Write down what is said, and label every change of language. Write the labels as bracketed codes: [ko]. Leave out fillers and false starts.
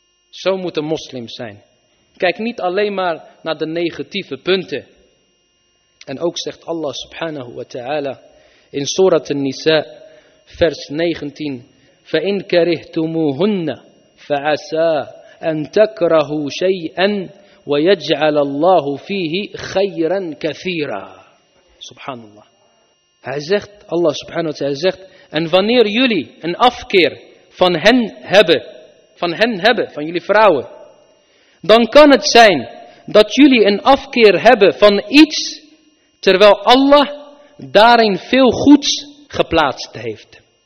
[nl] Zo moet een moslim zijn. Kijk niet alleen maar naar de negatieve punten. En ook zegt Allah subhanahu wa ta'ala in Surat An-Nisa, vers 19: [ar] فَإِنْ كَرِهْتُمُوهُنَّ فَعَسَىٰ أَنْ تَكْرَهُوا شَيْئًا ويجعل الله فيه خيرا كثيرا. سبحان الله. [nl] Hij zegt, Allah subhanahu wa ta'ala zegt, en wanneer jullie een afkeer van hen hebben, van jullie vrouwen, dan kan het zijn dat jullie een afkeer hebben van iets, terwijl Allah daarin veel goeds geplaatst heeft.